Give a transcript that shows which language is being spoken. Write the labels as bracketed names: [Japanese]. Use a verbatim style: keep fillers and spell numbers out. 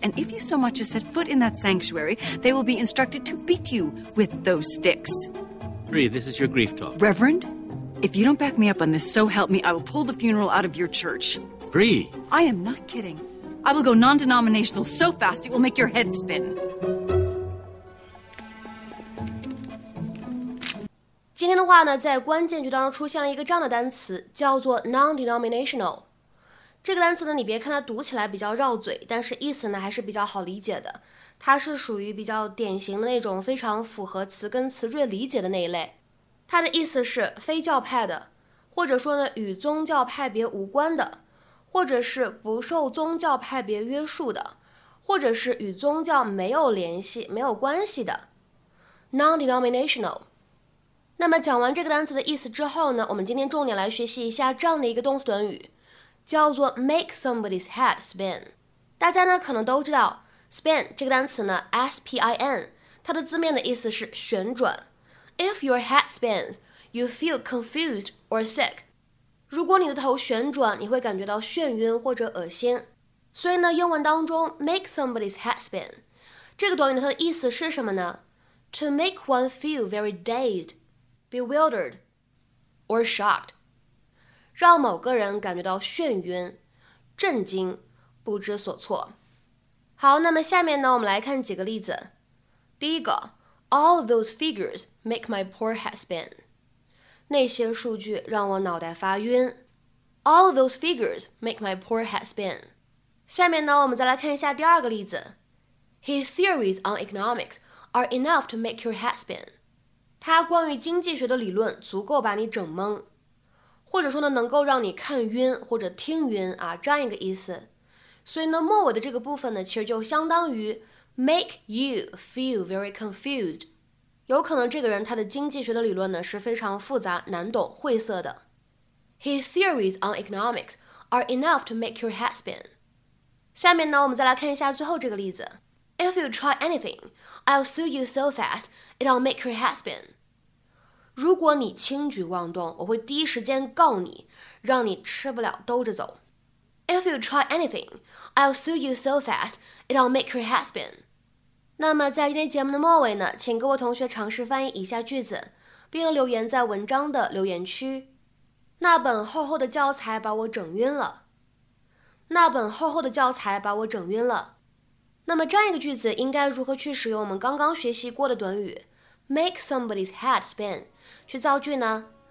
[English] And if you so much as set foot in that sanctuary, they will be instructed to beat you with those sticks. Bree, this is your grief talk. Reverend, if you don't back me up on this, so help me, I will pull the funeral out of your church. Bree! I am not kidding. I will go non-denominational so fast it will make your head spin. [Chinese] 今天的话呢，在关键句当中出现了一个这样的单词，叫做 non-denominational。这个单词呢，你别看它读起来比较绕嘴，但是意思呢还是比较好理解的。它是属于比较典型的那种非常符合词根词缀理解的那一类。它的意思是非教派的，或者说呢与宗教派别无关的，或者是不受宗教派别约束的，或者是与宗教没有联系、没有关系的。non-denominational。那么讲完这个单词的意思之后呢，我们今天重点来学习一下这样的一个动词短语，叫做 [English] make somebody's head spin。 [Chinese] 大家呢可能都知道 spin 这个单词呢 S P I N 它的字面的意思是旋转。 [English] If your head spins, you feel confused or sick。 [Chinese] 如果你的头旋转，你会感觉到眩晕或者恶心。所以呢，英文当中 [English] make somebody's head spin [Chinese] 这个短语它的意思是什么呢？ [English] To make one feel very dazed,bewildered, or shocked. [Chinese] 让某个人感觉到眩晕、震惊、不知所措。好，那么下面呢，我们来看几个例子。第一个 [English] ，All those figures make my poor head spin. [Chinese] 那些数据让我脑袋发晕。 [English] All those figures make my poor head spin. [Chinese] 下面呢，我们再来看一下第二个例子。 [English] His theories on economics are enough to make your head spin. [Chinese] 它关于经济学的理论足够把你整懵，或者说呢能够让你看晕或者听晕啊，这样一个意思。所以呢末尾的这个部分呢其实就相当于 [English] make you feel very confused。 [Chinese] 有可能这个人他的经济学的理论呢是非常复杂难懂晦涩的。 [English] His theories on economics are enough to make your head spin。 [Chinese] 下面呢我们再来看一下最后这个例子。 [English] If you try anything, I'll sue you so fast, it'll make your head spin. [Chinese] 如果你轻举妄动，我会第一时间告你，让你吃不了兜着走。 [English] If you try anything, I'll sue you so fast, it'll make your head spin. [Chinese] 那么在今天节目的末尾呢，请各位同学尝试翻译以下句子，并留言在文章的留言区。那本厚厚的教材把我整晕了。那本厚厚的教材把我整晕了。那么这样一个句子应该如何去使用我们刚刚学习过的短语 [English] make somebody's head spin [Chinese] 去造句呢？